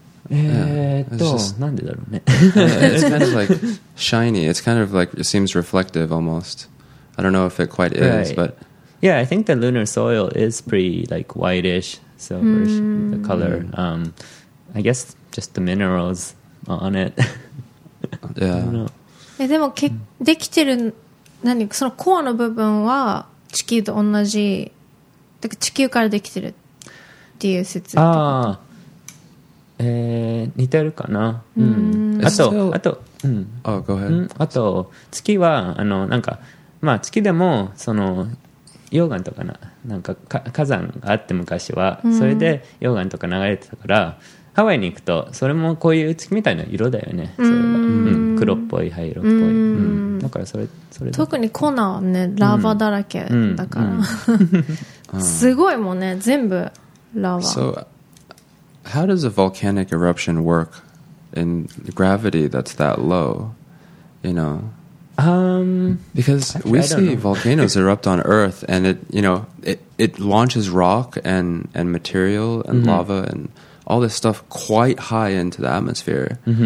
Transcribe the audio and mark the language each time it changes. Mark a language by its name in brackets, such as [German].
[English] It's kind of like shiny. It's kind of like, it seems reflective almost. I don't know if it quite is, but... Yeah, I think the lunar soil is pretty like whitish, silverish, the color. I guess just the minerals on it. Yeah. [Japanese] でもできてる何そのコアの部分は地球と同じ、だから地球からできてるっていう説。ああ、似てるかな。あと、 [English] Oh, go ahead. [Japanese] あと月はあのなんかまあ月でもその溶岩とかなんか火山があって昔はそれで溶岩とか流れてたからハワイに行くとそれもこういう月みたいな色だよねそれは黒っぽい灰色っぽい、だからそれ特に粉はねラーバだらけだからすごいもんね全部ラーバ [English] So how does a volcanic eruption work in gravity that's that low you knowBecause actually, we see volcanoes erupt on Earth and it, you know, it launches rock and material and lava and all this stuff quite high into the atmosphere.